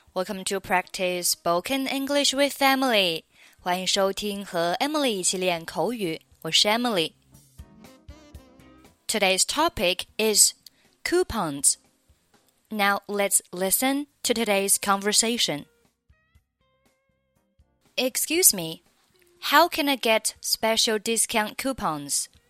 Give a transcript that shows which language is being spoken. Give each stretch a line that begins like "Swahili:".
English: Welcome to practice spoken English with Emily.
Chinese: 欢迎收听和 Emily 一起练口语。我是 Emily.
English: Today's topic is coupons. Now, let's listen to today's conversation. Excuse me, how can I get special discount coupons?